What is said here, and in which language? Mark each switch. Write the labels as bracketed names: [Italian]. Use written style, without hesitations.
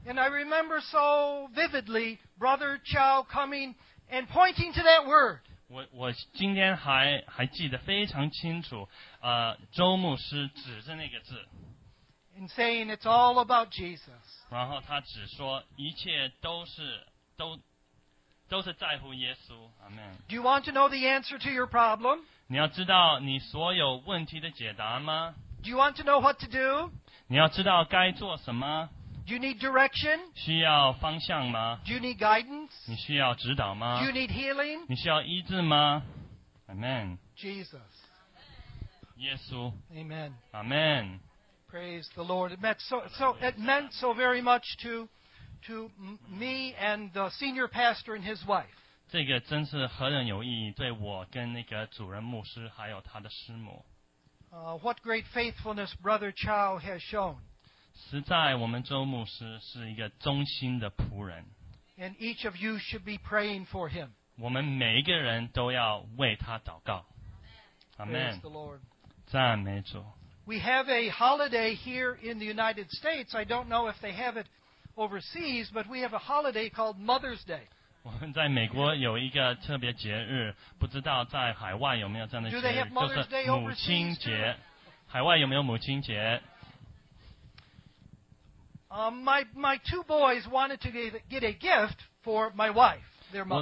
[English] And I remember so vividly Brother Chow coming and pointing to that word. [Chinese] 我今天还记得非常清楚周牧师指着那个字。 [English] And saying it's all about Jesus. [Chinese] 然后他只说一切都是在乎耶稣。 [English] Amen. Do you want to know the answer to your problem? [Chinese] 你要知道你所有问题的解答吗? [English] Do you want to know what to do? [Chinese] 你要知道该做什么? [English] Do you need direction? [Chinese] 需要方向吗? [English] Do you need guidance? [Chinese] 你需要指导吗? [English] Do you need healing? [Chinese] 你需要医治吗?Amen. [English] Jesus. [Chinese] 耶稣。 [English] Amen. Amen. Praise the Lord. It meant so very much to me and the senior pastor and his wife. [Chinese] 这个真是何等有意义，对我跟那个主任牧师还有他的师母。 [English] What great faithfulness Brother Chow has shown. [Chinese] 实在我们周牧师是一个忠心的仆人。 [English] And each of you should be praying for him. [Chinese] 我们每一个人都要为他祷告。 [English] Amen. Praise the Lord. [Chinese] 赞美主。 [English] We have a holiday here in the United States. I don't know if they have it overseas, but we have a holiday called Mother's Day. [Chinese] 我们在美国有一个特别节日，不知道在海外有没有这样的节日，就是母亲节。海外有没有母亲节？ [English] My two boys wanted to get a gift for my wife, their mother.